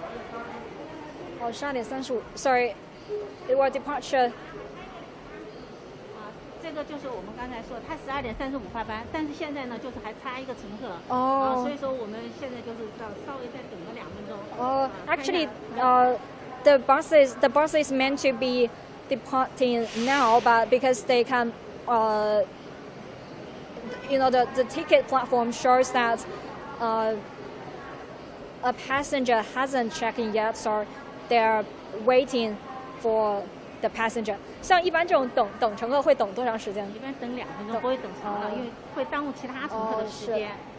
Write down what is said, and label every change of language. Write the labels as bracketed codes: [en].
[en] 12:35. Sorry, it was departure. [zh] 这个就是我们刚才说，它12:35发班，但是现在呢，就是还差一个乘客。所以说我们现在就是稍微再等个2分钟。 [en] Actually, the bus is meant to be departing now, but because they can, the ticket platform shows that, a passenger hasn't checked in yet, so they're waiting for. The passenger, [zh] 像一般这种等乘客会等多长时间？一般等2分钟，不会等长的，因为会耽误其他乘客的时间。